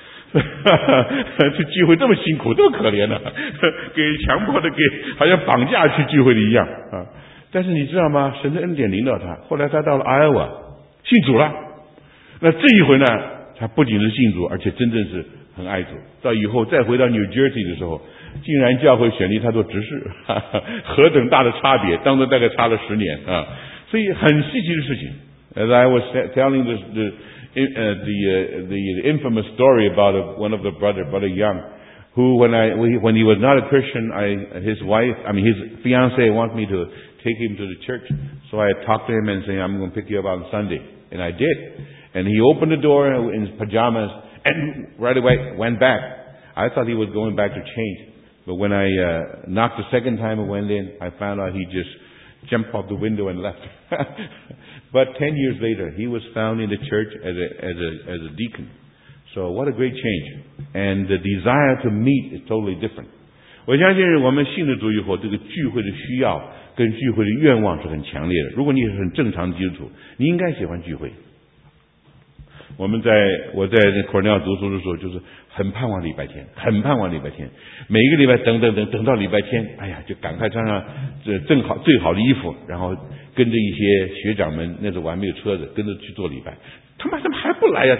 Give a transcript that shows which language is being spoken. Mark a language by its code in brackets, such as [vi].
[zh] 这聚会这么辛苦，这么可怜的，给强迫的，给好像绑架去聚会的一样啊。但是你知道吗，神的恩典临到他，后来他到了 Iowa， 信主了。那这一回呢，他不仅是信主，而且真正是很爱主。到以后再回到 New Jersey 的时候，竟然教会选定他做执事，何等大的差别！当中大概差了十年啊，所以很稀奇的事情。 [en] As I was telling the infamous story about one of the brother Young, who when he was not a Christian, his fiance wanted me to take him to the church. So I talked to him and said, I'm going to pick you up on Sunday. And I did. And he opened the door in his pajamas and right away went back. I thought he was going back to change. But when I knocked the second time and went in, I found out he just jumped out the window and left. But 10 years later, he was found in the church as a deacon. So what a great change. And the desire to meet is totally different. [zh] 我相信我们信了主以后，这个聚会的需要跟聚会的愿望是很强烈的。如果你是很正常的基督徒，你应该喜欢聚会。我在Cornell读书的时候，就是很盼望礼拜天，很盼望礼拜天。每一个礼拜等到礼拜天，哎呀，就赶快穿上最好的衣服，然后跟着一些学长们，那时候我还没有车子，跟着去做礼拜。他妈怎么还不来呀？